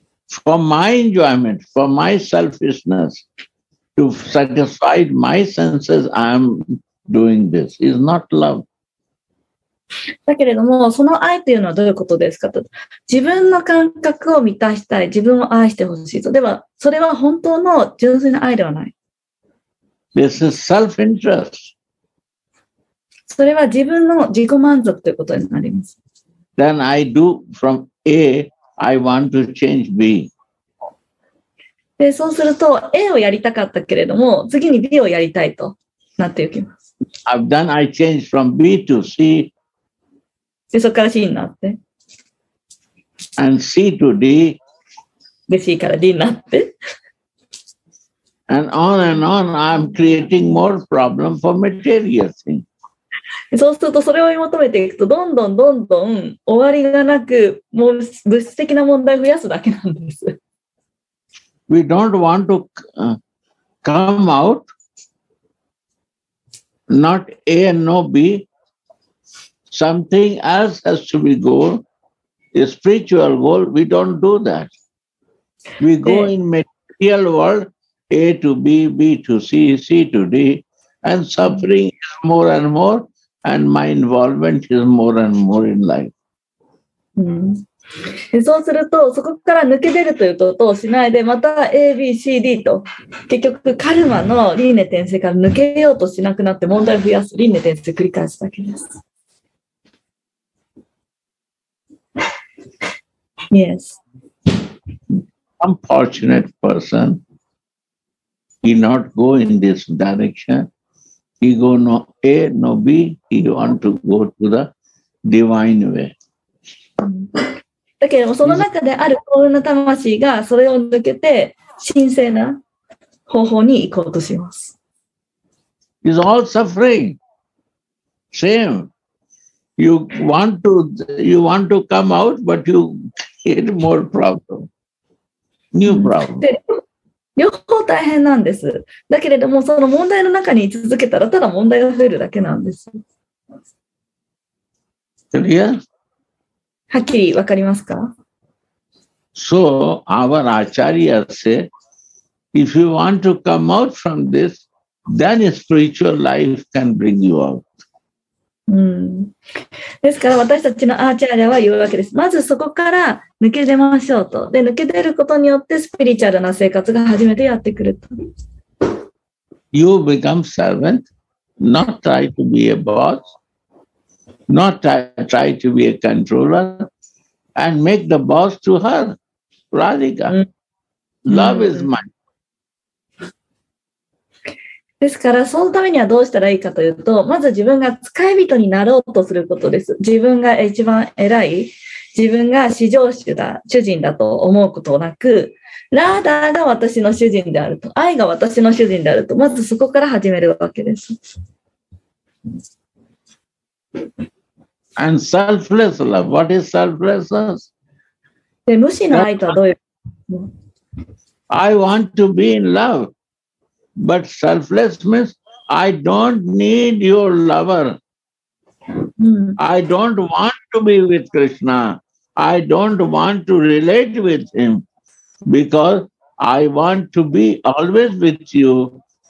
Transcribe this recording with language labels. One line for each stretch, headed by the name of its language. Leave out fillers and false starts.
English: For my enjoyment, for my selfishness, to satisfy my senses, I'm doing this. It's not love.
Japanese: だけれども、その愛というのはどういうことですかと。自分の感覚を満たしたい、自分を愛してほしいと。では、それは本当の純粋な愛ではない。
English: This is self-interest.
Japanese: それは自分の自己満足ということになります。
English: Then I do from A, I want to change B.
Japanese: で、そうすると A をやりたかったけれども、次に B をやりたいとなっていきます。
English: Then I change from B to C.
Japanese: で、そこから C になって。
English: And C to D.
Japanese: で、C から D になって。
English: And on and on, I'm creating more problem for material things.
Japanese: そうすると、それを追い求めていくと、どんどんどんどん終わりがなく、もう物質的な問題を増やすだけなんです。
English: We don't want to come out, not A and no B. Something else has to be goal, a spiritual goal. We don't do that. We go in material world, A to B, B to C, C to D, and suffering is more and more. And my involvement is more and more in life.
Japanese: そうすると、そこから抜け出るというとをしないで、また A、B、C、D と、結局、カルマの輪廻転生から抜けようとしなくなって、問題を増やす、輪廻転生を繰り返すだけです。
English: Yes. Unfortunate person, he not go in this direction. He go no A, no B, he want to go to the divine way.
Japanese: だけどその中である幸運な魂がそれを抜けて神聖な方法に行こうとします。
English: It's all suffering. Same. You want to come out, but you create more problem. New problem.
Japanese: 両方大変なんです。だけれども、その問題の中に居続けたら、ただ問題が増えるだけなんです。
English: クリア？
Japanese: はっきり分かりますか？
English: So, our Acharya say, if you want to come out from this, then spiritual life can bring you out.
Japanese: ですから私たちのアーチャーリアは言うわけです。まずそこから抜け出ましょうと。で、抜け出ることによってスピリチュアルな生活が初めてやってくると。
English: You become servant, not try to be a boss, not try to be a controller, and make the boss to her, Radhika. Love is mine.
Japanese: ですから、そのためにはどうしたらいいかというと、まず自分が使い人になろうとすることです。自分が一番偉い、自分が至上主だ、主人だと思うことなく、ラーダーが私の主人であると、愛が私の主人であると、まずそこから始めるわけです。
English: And selfless love, what is selflessness?
Japanese: で、無私の愛とはどういうこと
English: ?I want to be in love. But selfless means I don't need your lover. I don't want to be with Krishna. I don't want to relate with him because I want to be always with you.